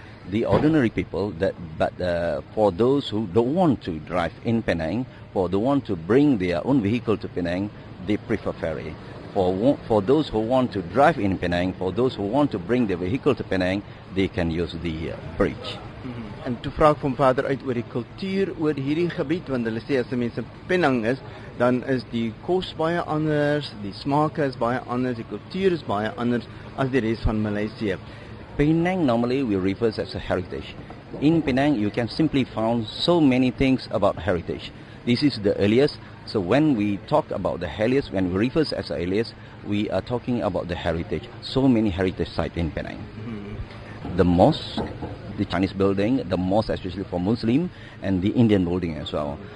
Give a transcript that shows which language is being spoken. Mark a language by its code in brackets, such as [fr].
[en] The ordinary people, but for those who don't want to drive in Penang, for the one to bring their own vehicle to Penang, they prefer ferry. For those who want to drive in Penang, for those who want to bring their vehicle to Penang, they can use the bridge. [af] En toe vraag van vader uit oor die kultuur oor hierdie gebied, want hulle sê as die mense Penang is, dan is die kos baie anders, die smaak is baie anders, die kultuur is baie anders as die rest van Maleisië. [en] Penang normally we refer as a heritage. In Penang you can simply find so many things about heritage. This is the earliest. So when we talk about the earliest, when we refer as the earliest, we are talking about the heritage. So many heritage sites in Penang. Mm-hmm. The mosque, the Chinese building, the mosque especially for Muslim, and the Indian building as well.